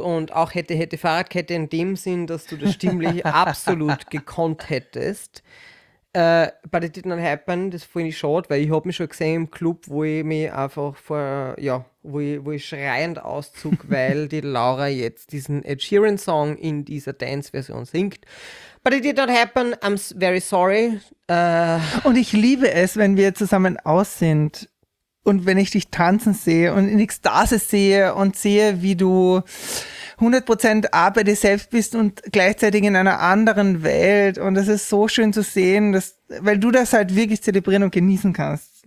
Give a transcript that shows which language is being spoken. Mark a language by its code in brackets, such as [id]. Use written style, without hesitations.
[de] auch hätte, Fahrradkette in dem Sinn, dass du das stimmlich absolut gekonnt hättest. [en] But it did not happen, [de] das finde ich schade, weil ich habe mich schon gesehen im Club, wo ich mich einfach wo ich schreiend auszog, weil die Laura jetzt diesen Ed Sheeran Song in dieser Dance-Version singt. [en] But it did not happen, I'm very sorry. [de] Und ich liebe es, wenn wir zusammen aus sind und wenn ich dich tanzen sehe und in Ekstase sehe und sehe, wie du 100% A bei dir selbst bist und gleichzeitig in einer anderen Welt. Und das ist so schön zu sehen, weil du das halt wirklich zelebrieren und genießen kannst.